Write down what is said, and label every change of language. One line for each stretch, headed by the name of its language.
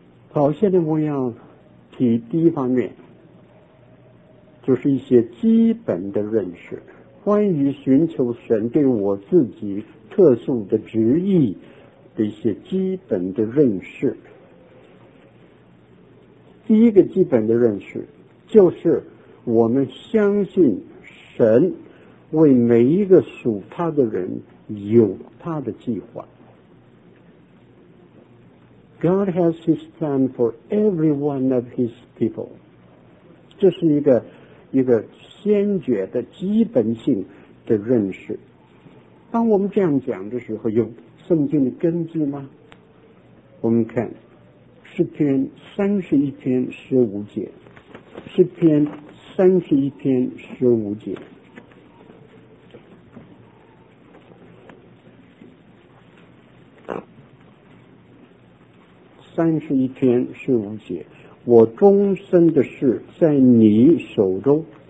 Chinese: 好，现在我要提第一方面，就是一些基本的认识，关于寻求神对我自己特殊的旨意的一些基本的认识。第一个基本的认识就是我们相信神为每一个属他的人有他的计划。
English: God has his plan for every one of his people，
Chinese: 这是一个先决的基本性的认识。当我们这样讲的时候，有圣经的根据吗？我们看诗篇31:15，诗篇31:15，31:15，我终身的事在你手中，